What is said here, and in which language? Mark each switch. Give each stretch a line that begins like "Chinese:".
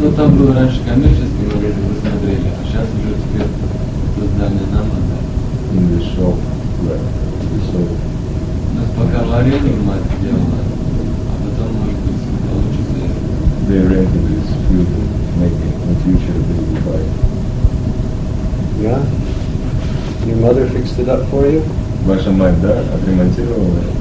Russian: Ну там был раньше коммерческий, мы вроде бы смотрели, а сейчас уже теперь создание нам надо.
English: In the shop.
Russian: У нас пока в аренде мать сделала, а потом может быть получится.
English: The rented is future, maybe in the future they will buy. Yeah. Your mother fixed it up for you?
Russian: Ваша мать, да, отремонтировала.